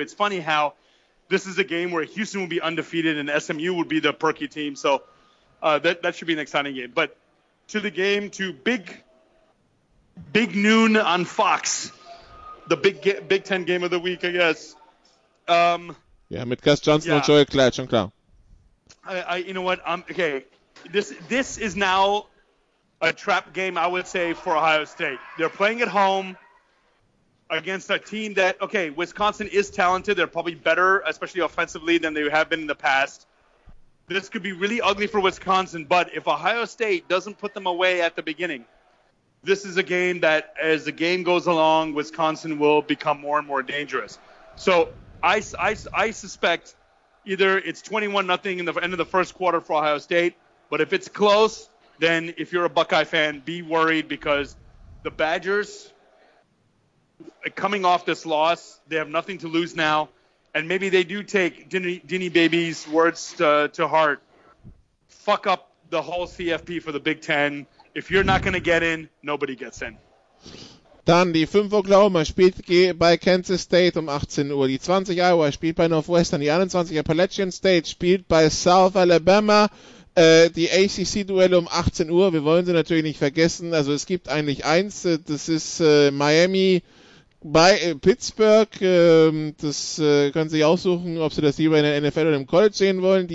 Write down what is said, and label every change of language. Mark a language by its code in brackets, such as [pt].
[en] It's funny how this is a game where Houston will be undefeated and SMU would be the perky team. So that should be an exciting game. But to the game, to big noon on Fox, the Big Ten game of the week, I guess. [de] Yeah, mit Gus Johnson und Joey Klatsch und klar. [en] I, you know what? Okay, this is now a trap game, I would say, for Ohio State. They're playing at home against a team that, okay, Wisconsin is talented. They're probably better, especially offensively, than they have been in the past. This could be really ugly for Wisconsin, but if Ohio State doesn't put them away at the beginning, this is a game that, as the game goes along, Wisconsin will become more and more dangerous. So I suspect either it's 21-0 in the end of the first quarter for Ohio State, but if it's close, then if you're a Buckeye fan, be worried, because the Badgers, coming off this loss, they have nothing to lose now. And maybe they do take Dini Baby's words to heart. Fuck up the whole CFP for the Big Ten. If you're not going to get in, nobody gets in. [de] Dann die 5 Oklahoma spielt bei Kansas State um 18 Uhr. Die 20 Iowa spielt bei Northwestern. Die 21 Appalachian State spielt bei South Alabama. Die ACC-Duelle um 18 Uhr. Wir wollen sie natürlich nicht vergessen. Also es gibt eigentlich eins. Das ist Miami bei Pittsburgh, das können Sie aussuchen, ob Sie das lieber in der NFL oder im College sehen wollen.